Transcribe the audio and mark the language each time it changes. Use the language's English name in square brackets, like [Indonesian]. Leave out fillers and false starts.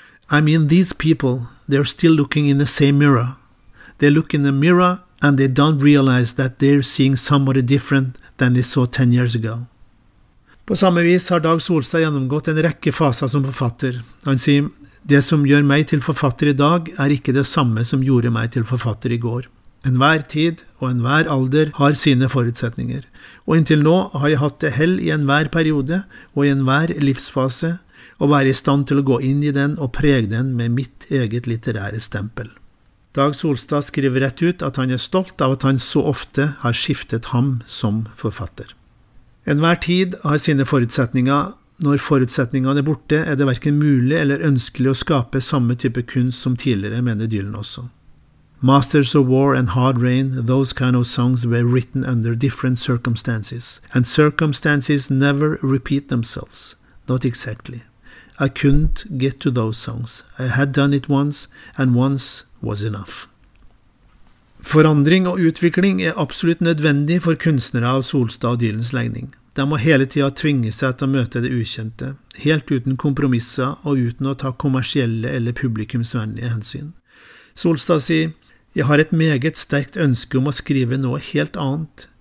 [English] I mean, these people, they're still looking in the same mirror. They look in the mirror and they don't realize that they're seeing somebody different than they saw 10 years ago. [Norwegian] På samme vis har Dag Solstad gjennomgått en rekke faser som forfatter. Han sier, det som gjør meg til forfatter I dag ikke det samme som gjorde meg til forfatter I går. Enhver tid og enhver alder har sine forutsetninger. Og inntil nå har jeg hatt det hell I enhver periode og I enhver livsfase og være I stand til å gå inn I den og prege den med mitt eget litterære stempel. Dag Solstad skriver rett ut at han stolt av at han så ofte har skiftet ham som forfatter. Enhver tid har sine forutsetninger. Når forutsetningene borte, det hverken mulig eller ønskelig å skape samme type kunst som tidligere, mener Dylan også. [English] Masters of War and Hard Rain, those kind of songs were written under different circumstances. And circumstances never repeat themselves. Not exactly. I couldn't get to those songs. I had done it once, and once was enough. [Norwegian] Forandring og utvikling absolutt nødvendig for kunstnere av Solstad og Dylans legning. De må hele tiden tvinge seg til å møte det ukjente, helt uten kompromisser og uten å ta kommersielle eller publikumsvennlige hensyn. Solstad sier, jeg har et meget sterkt ønske om å skrive noe helt annet.